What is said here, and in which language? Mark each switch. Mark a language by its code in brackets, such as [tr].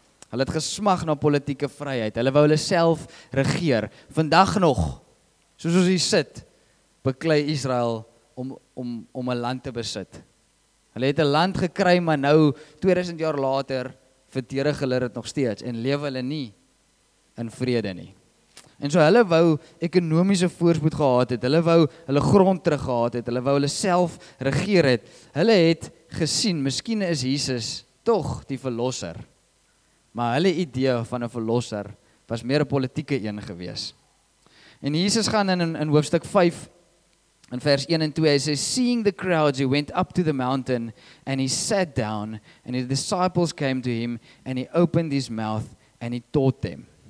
[af] Hulle het gesmag na politieke vryheid. Hulle wou hulle self regeer. Vandag nog, soos ons hier sit, beklei Israel om 'n land te besit. Hulle het 'n land gekry, maar nou, 2000 jaar later, verdedig hulle dit nog steeds en lewe hulle nie in vrede nie. En so hulle wou ekonomiese voorspoed gehad het, hulle wou hulle grond terug gehad het, hulle wou hulle self regeer het. Hulle het gesien, miskien is Jesus toch die verlosser. Maar hulle idee van 'n verlosser was meer 'n politieke een gewees. En Jesus gaan in hoofstuk 5, in vers 1 en 2, hy sê, [en] seeing the crowds, he went up to the mountain, and he sat down, and his disciples came to him, and he opened his mouth, and he taught them.